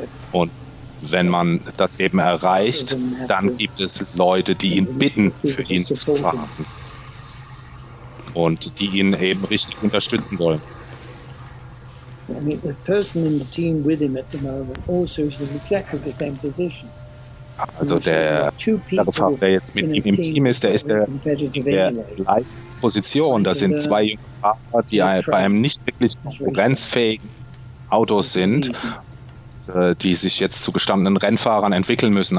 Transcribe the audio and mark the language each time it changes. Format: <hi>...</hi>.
<de>Und wenn man das eben erreicht, dann gibt es Leute, die ihn bitten, für ihn zu fahren. Und die ihn eben richtig unterstützen wollen.</de> <en>I mean, the person in the team with him at the moment also is in exactly the same position.</en> <de>Also der Fahrer, der jetzt mit ihm im Team ist, der ist der gleichen Position. Das sind zwei junge Fahrer, die bei einem nicht wirklich konkurrenzfähigen Auto sind, die sich jetzt zu gestandenen Rennfahrern entwickeln müssen.</de>